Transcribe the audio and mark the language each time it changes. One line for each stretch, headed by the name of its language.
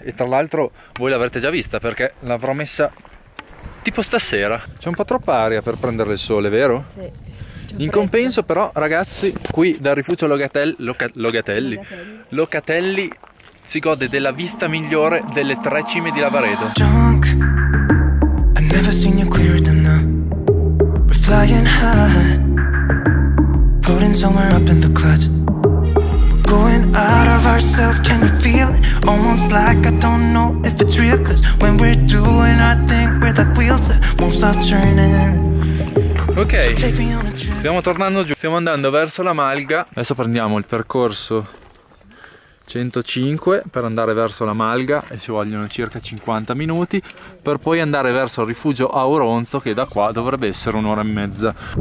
Italian: E tra l'altro voi l'avrete già vista perché l'avrò messa tipo stasera. C'è un po' troppa aria per prendere il sole, vero? Sì. In compenso però ragazzi, qui dal rifugio Locatelli si gode della vista migliore delle tre cime di Lavaredo.
English: Drunk, I've never seen you clearer than now. We're flying high, floating somewhere up in the clouds. We're going out of ourselves, can you feel it? Almost like I don't know if it's real, cause when we're doing our thing, we're the wheels that won't stop turning.
Italian: Ok, stiamo tornando giù, stiamo andando verso la Malga. Adesso prendiamo il percorso 105 per andare verso la Malga e ci vogliono circa 50 minuti per poi andare verso il rifugio Auronzo, che da qua dovrebbe essere un'ora e mezza.